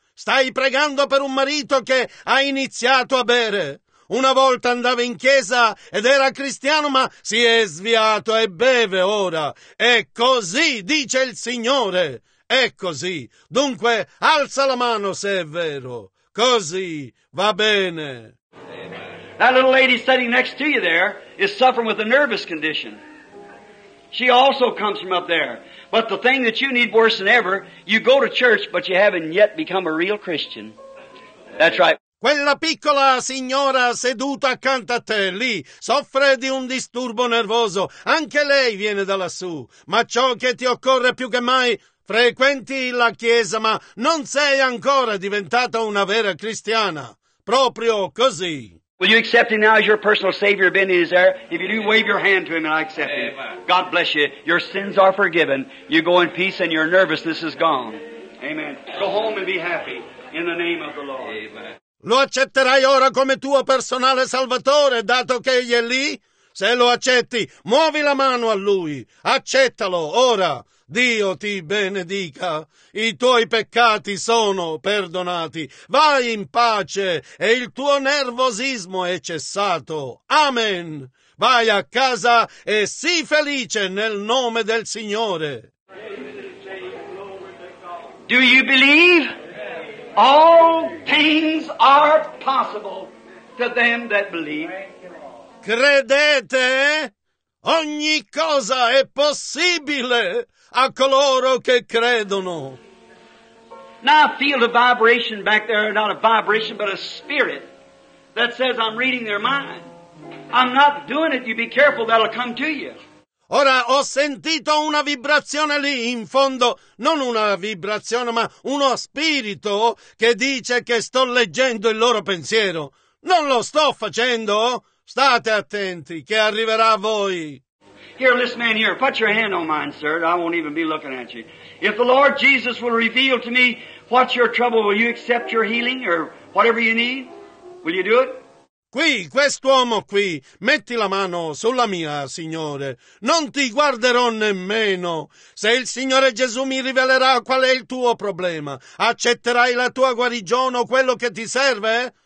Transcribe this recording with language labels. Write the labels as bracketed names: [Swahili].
[Italian] Stai pregando per un marito che ha iniziato a bere. Una volta andava in chiesa ed era cristiano, ma si è sviato e beve ora. È così, dice il Signore. È così. Dunque, alza la mano se è vero. Così va bene. [English] That little lady sitting next to you there is suffering with a nervous condition. She also comes from up there. But the thing that you need worse than ever, you go to church, but you haven't yet become a real Christian. That's right. [Italian] Quella piccola signora seduta accanto a te, lì, soffre di un disturbo nervoso. Anche lei viene da lassù. Ma ciò che ti occorre più che mai, frequenti la chiesa, ma non sei ancora diventata una vera cristiana. Proprio così. [English] Will you accept him now as your personal Savior? Benny is there. If you do, wave your hand to him and I accept him. God bless you. Your sins are forgiven. You go in peace and your nervousness is gone. Amen. Go home and be happy in the name of the Lord. Amen. [Italian] Lo accetterai ora come tuo personale salvatore, dato che egli è lì? Se lo accetti, muovi la mano a lui. Accettalo, ora. Dio ti benedica. I tuoi peccati sono perdonati. Vai in pace e il tuo nervosismo è cessato. Amen. Vai a casa e sii felice nel nome del Signore. [English] Do you believe? All things are possible to them that believe. [Italian] Credete? Ogni cosa è possibile a coloro che credono. [English] Now I feel a vibration back there, not a vibration, but a spirit that says I'm reading their mind. I'm not doing it. You be careful, that'll come to you. [Italian] Ora ho sentito una vibrazione lì in fondo, non una vibrazione, ma uno spirito che dice che sto leggendo il loro pensiero. Non lo sto facendo? State attenti, che arriverà a voi. [English] Here, this man here, put your hand on mine, sir. I won't even be looking at you. If the Lord Jesus will reveal to me what's your trouble, will you accept your healing or whatever you need? Will you do it? [Italian] Qui, quest'uomo qui, metti la mano sulla mia, Signore. Non ti guarderò nemmeno. Se il Signore Gesù mi rivelerà qual è il tuo problema, accetterai la tua guarigione o quello che ti serve?